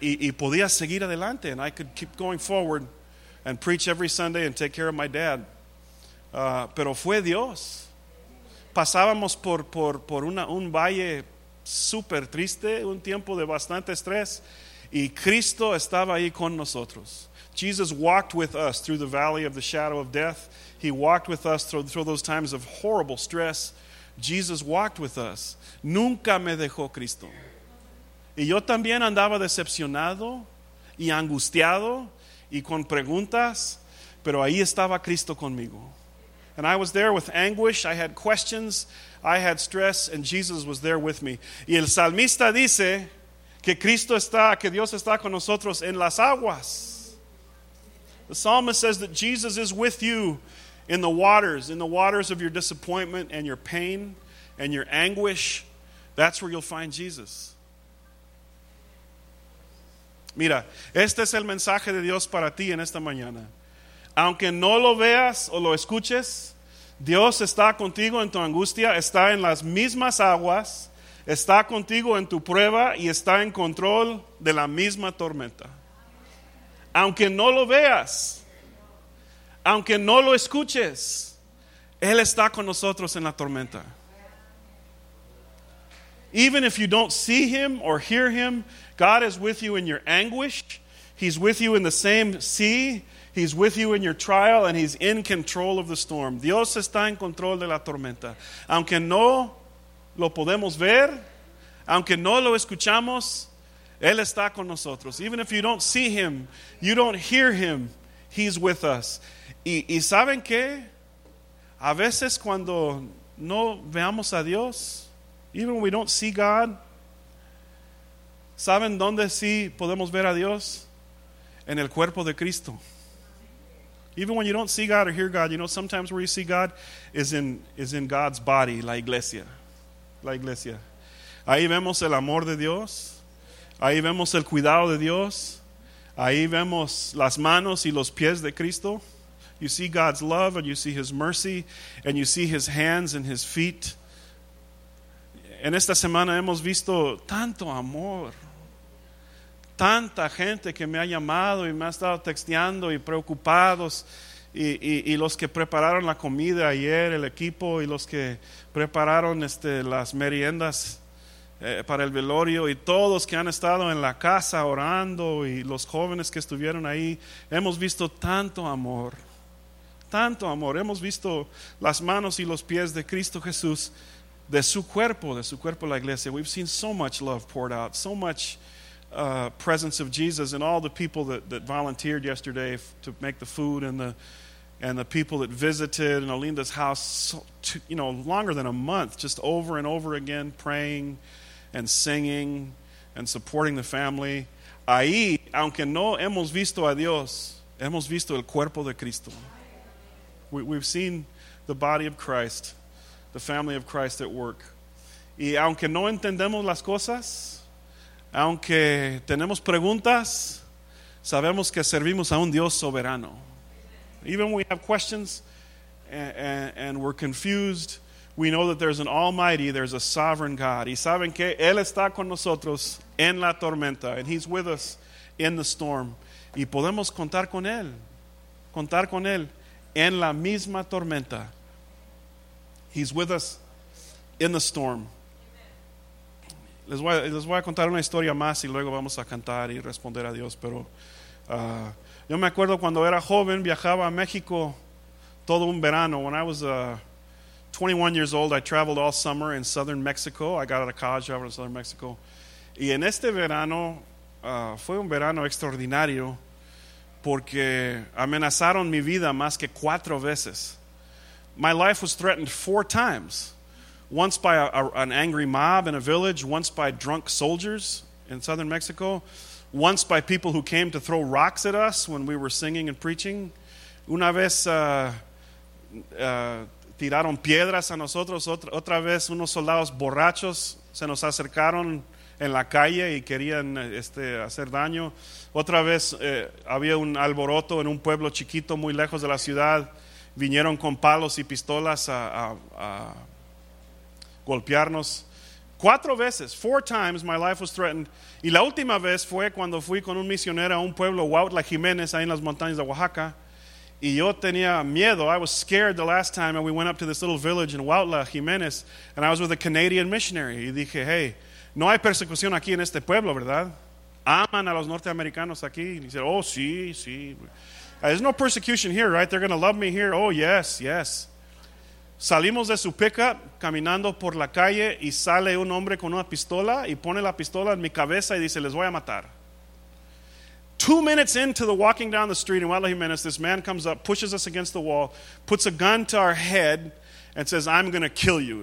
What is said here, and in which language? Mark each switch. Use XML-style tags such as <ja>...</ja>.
<es>Y podía seguir adelante.</es> <en>And I could keep going forward and preach every Sunday and take care of my dad.</en> <es>Pero fue Dios. Pasábamos por un valle súper triste, un tiempo de bastante estrés, y Cristo estaba ahí con nosotros.</es> <en>Jesus walked with us through the valley of the shadow of death. He walked with us through those times of horrible stress. Jesus walked with us.</en> <es>Nunca me dejó Cristo. Y yo también andaba decepcionado y angustiado y con preguntas, pero ahí estaba Cristo conmigo.</es> <en>And I was there with anguish, I had questions, I had stress, and Jesus was there with me.</en> <es>Y el salmista dice que Cristo está, que Dios está con nosotros en las aguas.</es> <en>The psalmist says that Jesus is with you in the waters of your disappointment and your pain and your anguish. That's where you'll find Jesus.</en> <es>Mira, este es el mensaje de Dios para ti en esta mañana. Aunque no lo veas o lo escuches, Dios está contigo en tu angustia, está en las mismas aguas, está contigo en tu prueba y está en control de la misma tormenta. Aunque no lo veas, aunque no lo escuches, Él está con nosotros en la tormenta.</es> <en>Even if you don't see Him or hear Him, God is with you in your anguish. He's with you in the same sea. He's with you in your trial, and He's in control of the storm.</en> <es>Dios está en control de la tormenta. Aunque no lo podemos ver, aunque no lo escuchamos, Él está con nosotros.</es> <en>Even if you don't see Him, you don't hear Him, He's with us.</en> <es>Y ¿saben qué? A veces cuando no veamos a Dios,</es> <en>even when we don't see God,</en> <es>¿saben dónde sí podemos ver a Dios? En el cuerpo de Cristo.</es> <en>Even when you don't see God or hear God, you know, sometimes where you see God is in God's body,</en> <es>la iglesia. La iglesia. Ahí vemos el amor de Dios. Ahí vemos el cuidado de Dios. Ahí vemos las manos y los pies de Cristo.</es> <en>You see God's love and you see His mercy and you see His hands and His feet.</en> <es>En esta semana hemos visto tanto amor. Tanta gente que me ha llamado y me ha estado texteando y preocupados, y los que prepararon la comida ayer, el equipo, y los que prepararon las meriendas para el velorio, y todos que han estado en la casa orando, y los jóvenes que estuvieron ahí. Hemos visto tanto amor, hemos visto las manos y los pies de Cristo Jesús, de su cuerpo la iglesia.</es> <en>We've seen so much love poured out, so much presence of Jesus and all the people that volunteered yesterday to make the food and the people that visited in Alinda's house, longer than a month, just over and over again praying and singing and supporting the family.</en> <es>Ahí, aunque no hemos visto a Dios, hemos visto el cuerpo de Cristo.</es> <en>We've seen the body of Christ, the family of Christ at work.</en> <es>Y aunque no entendemos las cosas, aunque tenemos preguntas, sabemos que servimos a un Dios soberano.</es> <en>Even when we have questions and we're confused, we know that there's an almighty, there's a sovereign God.</en> <es>Y saben que Él está con nosotros en la tormenta.</es> <en>And He's with us in the storm.</en> <es>Y podemos contar con Él. Contar con Él en la misma tormenta.</es> <en>He's with us in the storm.</en> <es>Les voy a contar una historia más y luego vamos a cantar y responder a Dios. Pero yo me acuerdo cuando era joven, viajaba a México todo un verano.</es> <en>When I was 21 years old, I traveled all summer in southern Mexico. I got out of college over in southern Mexico.</en> <es>Y en este verano, fue un verano extraordinario. porque amenazaron mi vida más que cuatro veces.</es> <en>My life was threatened four times. Once by an angry mob in a village, once by drunk soldiers in southern Mexico, once by people who came to throw rocks at us when we were singing and preaching.</en> <es>Una vez tiraron piedras a nosotros, otra vez unos soldados borrachos se nos acercaron en la calle y querían hacer daño. Otra vez había un alboroto en un pueblo chiquito muy lejos de la ciudad. Vinieron con palos y pistolas a golpearnos. Cuatro veces,</es> <en>four times my life was threatened.</en> <es>Y la última vez fue cuando fui con un misionero a un pueblo, Huautla Jiménez, ahí en las montañas de Oaxaca. Y yo tenía miedo.</es> <en>I was scared the last time and we went up to this little village in Huautla Jiménez and I was with a Canadian missionary.</en> <es>Y dije, hey, no hay persecución aquí en este pueblo, ¿verdad? Aman a los norteamericanos aquí. Y dice, oh, sí, sí.</es> <en>There's no persecution here, right? They're going to love me here. Oh, yes, yes.</en> <es>Salimos de su pickup, caminando por la calle, y sale un hombre con una pistola, y pone la pistola en mi cabeza, y dice, les voy a matar.</es> <en>2 minutes into the walking down the street in Huautla Jiménez, this man comes up, pushes us against the wall, puts a gun to our head, and says, I'm going to kill you.</en>